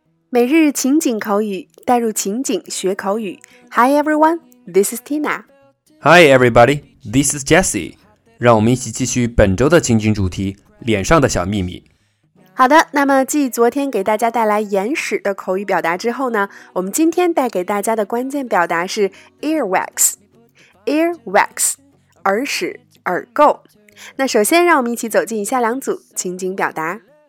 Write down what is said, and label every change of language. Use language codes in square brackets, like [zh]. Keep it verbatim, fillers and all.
[zh] 每日情景口语，带入情景学口语。 [en] Hi everyone, this is Tina. Hi everybody, this is Jessie. [zh] 让我们一起继续本周的情景主题，脸上的小秘密。好的，那么继昨天给大家带来眼屎的口语表达之后呢，我们今天带给大家的关键表达是 earwax。 earwax， 耳屎、耳垢。那首先让我们一起走进以下两组情景表达。